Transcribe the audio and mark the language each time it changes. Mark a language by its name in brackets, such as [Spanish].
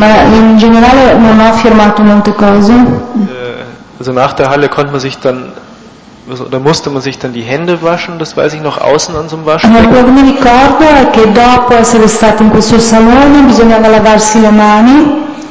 [Italian] Ma in generale non ho firmato molte cose. [German] Also nach der Halle konnte man sich dann oder musste man sich dann die Hände waschen, das weiß ich noch, außen an so einem Waschbecken. [Italian] Ma mi ricordo che dopo essere stato in questo salone bisognava lavarsi le mani.